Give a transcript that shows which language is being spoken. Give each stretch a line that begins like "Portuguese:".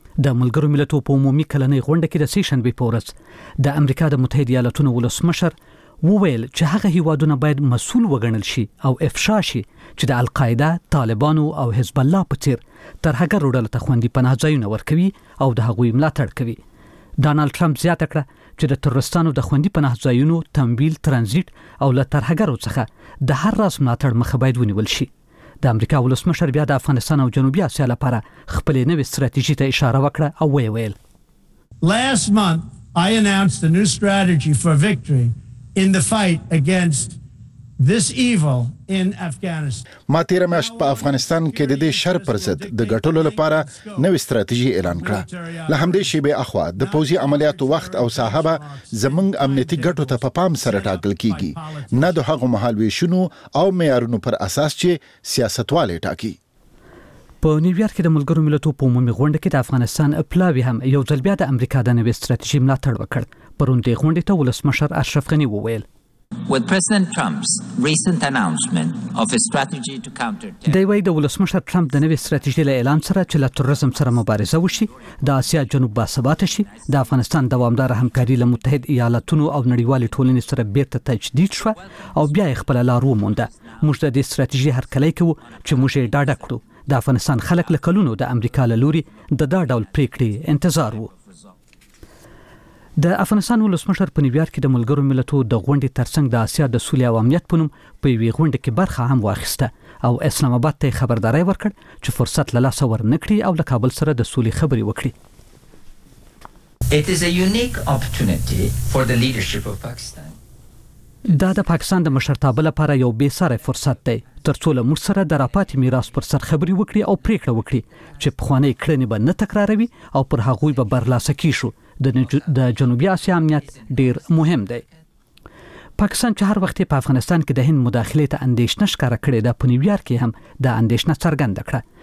Pashto: د ملګرو ملتونو په عمومي کلنې غونډه کې د سیشن بي پورس د امریکا د متحده ایالاتونو ولسمشر وویل چې هغه هیوادونه باید مسول وګڼل شي او افشا شي چې د القاعده، طالبانو او حزب الله په څیر تر هغه روډل ته خوندې پناه ځایونه ورکوي او د هغوی ملاتړ کوي. ډانلډ ټرمپ زیاته کړه چې د ترستانو د خوندې پناه ځایونو تمویل، ترانزیت او له ترهګرو څخه د هر راس ملاتړ مخه باید ونیول شي. د امریکا ولسمشر بیا د افغانستان او جنوبي اسیا لپاره خپلې نوې ستراتیژي ته اشاره وکړه او ویل
English: Last month I announced a new strategy for victory in the fight against this evil in Afghanistan.
Pashto: ما تیر میاشت په افغانستان کې د دې شر پر ضد د ګټلو لپاره نوې ستراتیژي اعلان کړه. له همدې شیبې اخوا د پوځي عملیاتو وخت او صحابه زمونږ امنیتي ګټو ته په پام سره ټاکل کیږي، نه د هغو محل ویشونو او معیارونو پر اساس چې سیاستوالې ټاکي. په نیویارک کې د ملګرو ملتونو په عمومي غونډه کې د افغانستان پلاوی هم یو ځل بیا د امریکا د نوې ستراتیژي ملاتړ وکړ. پرون دې غونډې ته ولسمشر اشرف غنی وویل
English: With President Trump's recent announcement of a strategy to counter terror.
Pashto: دوی وايي د ولسمشر ټرمپ د نوې ستراتیژي له اعلان سره چې له تروریزم سره مبارزه وشي، د آسیا جنوب باثباته شي، د افغانستان دوامدار همکاري له متحد ایالاتونو او نړیوالې ټولنې سره بیرته تجدید شوه او بیا یې خپل لار ومونده. موږ د دې ستراتیژي هرکلی کوو چې موږ یې ډاډه کړو. د افغانستان خلک له کلونو د امریکا له لوري د دا ډول پریکړې انتظار و. د افغانستان ولسمشر په نیویارک کې د ملګرو ملتو د غونډې ترڅنګ د آسیا د سولې او امنیت پونم په وی غونډه کې برخه هم واخیسته او اسلام آباد ته خبرداري ورکړ چې فرصت له لاسه ور نه کړي او له کابل سره د سولې خبرې وکړي.
English: It is a unique opportunity for the leadership of Pakistan.
Pashto: دا د پاکستان د مشرتابه لپاره یو بې ساري فرصت دی ترڅو له موږ سره د راپاتې میراث پر سر خبرې وکړي او پریکړه وکړي چې پخوانی کړنې به نه تکراروي او پر هغوی به برلاسه کیږي. د جنوبی آسیا امنیت ډیر مهم دی. پاکستان چې هر وخت په افغانستان کې د هند مداخله ته اندیشنه ښکاره کړې ده، په نیویارک کې هم د اندیشنه څرګنده کړه.